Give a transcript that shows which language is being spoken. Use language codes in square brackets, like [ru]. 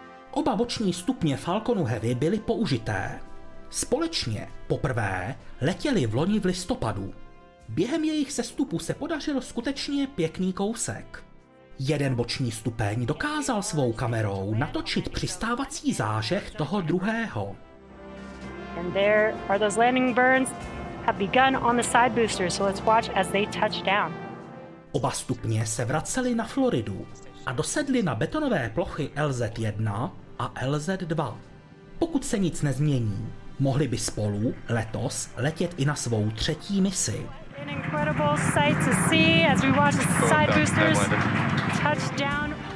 [cs] Oba boční stupně Falconu Heavy byly použité. Společně poprvé letěli v loni v listopadu. Během jejich sestupu se podařil skutečně pěkný kousek. Jeden boční stupeň dokázal svou kamerou natočit přistávací zážeh toho druhého. [en] And there are those landing burns have begun on the side boosters, so let's watch as they touch down. [cs] Oba stupně se vraceli na Floridu a dosedli na betonové plochy LZ-1 a LZ-2. Pokud se nic nezmění, mohli by spolu letos letět i na svou třetí misi. [en] An incredible sight to see as we watch the side boosters touch down.